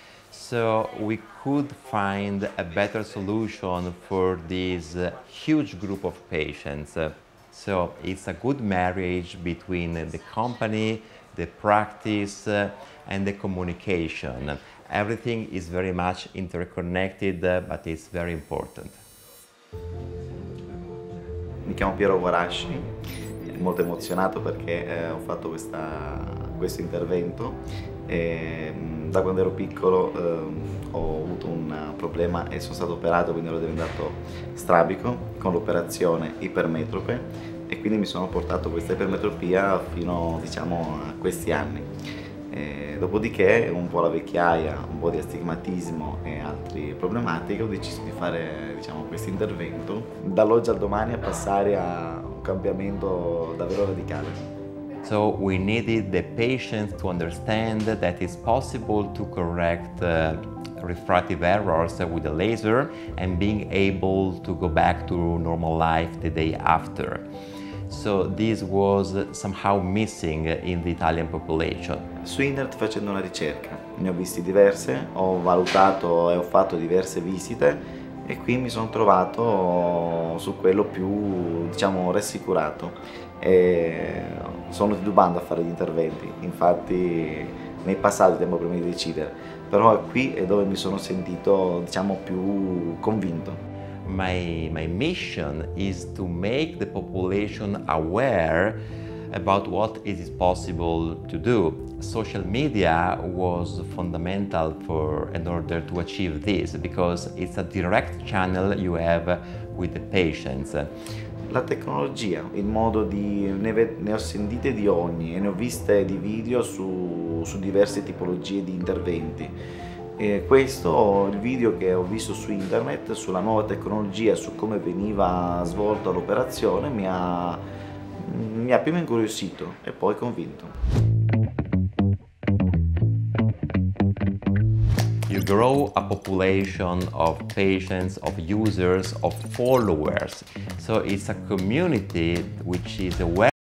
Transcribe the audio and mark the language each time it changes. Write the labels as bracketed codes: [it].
[en] So we could find a better solution for this huge group of patients. So it's a good marriage between the company, the practice, and the communication. Everything is very much interconnected, but it's very important. [it] Mi chiamo Piero Varasci, molto emozionato perché ho fatto questo intervento. E, da quando ero piccolo ho avuto un problema e sono stato operato, quindi ero diventato strabico con l'operazione ipermetrope. E quindi mi sono portato questa ipermetropia fino, diciamo, a questi anni. E dopodiché, un po' la vecchiaia, un po' di astigmatismo e altre problematiche, ho deciso di fare, diciamo, questo intervento. Dall'oggi al domani a passare a un cambiamento davvero radicale. [en] So we needed the patients to understand that it's possible to correct refractive errors with the laser and being able to go back to normal life the day after. So this was somehow missing in the Italian population. [it] Su internet facendo una ricerca, ne ho visti diverse, ho valutato e ho fatto diverse visite e qui mi sono trovato su quello più, diciamo, rassicurato. E sono titubando a fare gli interventi, infatti nei passati tempo prima di decidere, però è qui è dove mi sono sentito, diciamo, più convinto. [en] My mission is to make the population aware about what it is possible to do. Social media was fundamental for in order to achieve this because it's a direct channel you have with the patients. [it] La tecnologia, il modo di... ne ho sentite di ogni e ne ho viste di video su diverse tipologie di interventi. E questo il video che ho visto su internet sulla nuova tecnologia, su come veniva svolta l'operazione, mi ha prima incuriosito e poi convinto. [en] You grow a population of patients, of users, of followers. So it's a community which is aware.